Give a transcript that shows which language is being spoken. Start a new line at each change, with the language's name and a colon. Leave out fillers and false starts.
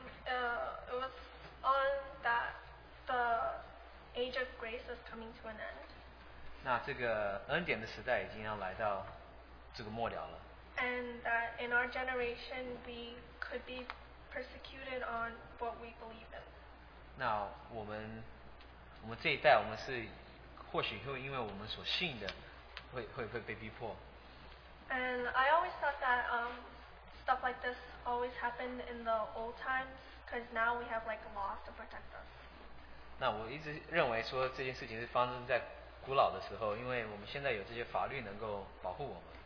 English: It was on that the age of grace was coming to an end.
Chinese: 那这个恩典的时代已经要来到这个末了了。
English: and that in our generation we could be persecuted on what we believe in.
Chinese: 那我们这一代，我们是或许会因为我们所信的，会被逼迫。
English: And I always thought that stuff like this always happened in the old times, because now we have like laws to protect us.
Chinese: 那我一直认为说这件事情是发生在古老的时候，因为我们现在有这些法律能够保护我们。